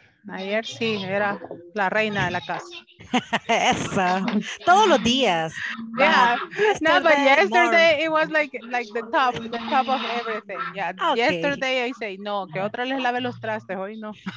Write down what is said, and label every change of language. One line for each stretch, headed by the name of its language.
Spanish: Ayer sí, era la reina de la casa. Eso. Todos los días.
English: Yeah. No, but yesterday it was like the top of everything. Yeah. Okay. Yesterday I say,
Spanish: no, que otra les lave los trastes, hoy no.